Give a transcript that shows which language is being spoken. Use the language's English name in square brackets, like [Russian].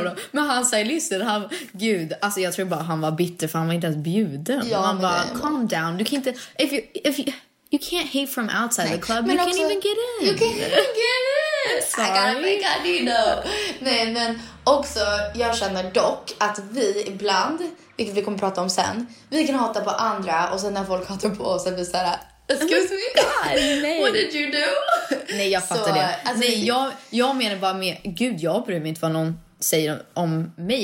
[Swedish] Men han sa, listen, han, gud, alltså jag tror bara han var bitter för han var inte ens bjuden. Ja, han bara, [English] calm down, [Swedish] du kan inte, [English] if you can't hate from outside the club, men you can't even get in. You can't even get in. Sorry. I gotta think I need to know. [Swedish] Nej, men också, jag känner dock att vi ibland, vilket vi kommer prata om sen, vi kan hata på andra och sen när folk hatar på oss är vi såhär, [English] excuse me, what did you do? [Swedish] Nej, jag fattar så, det. Alltså, nej, jag menar bara med, gud, jag bryr mig inte vad någon säger om mig.